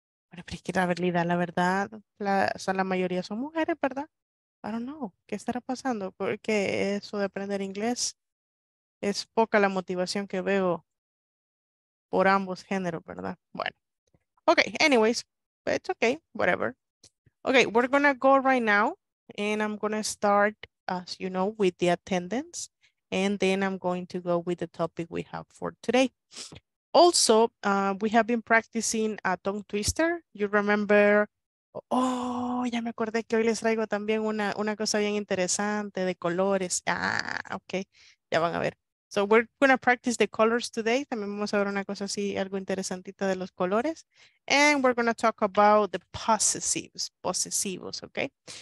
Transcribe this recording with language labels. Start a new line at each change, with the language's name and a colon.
Spanish: Bueno, pero es que la verdad, la mayoría son mujeres, ¿verdad?
English: I don't know.
Spanish: ¿Qué estará pasando? Porque eso de aprender inglés es poca la motivación que veo por ambos géneros, ¿verdad?
English: Bueno. Ok, anyways, it's okay, whatever. Ok, we're gonna go right now, and I'm gonna start, as you know, with the attendance, and then I'm going to go with the topic we have for today. Also, we have been practicing a tongue twister. You remember, oh,
Spanish: ya me acordé que hoy les traigo también una cosa bien interesante de colores.
English: Ah, okay,
Spanish: ya van a ver.
English: So we're gonna practice the colors today.
Spanish: También vamos a ver una cosa así, algo interesantita de los colores.
English: And we're gonna talk about the possessives, okay?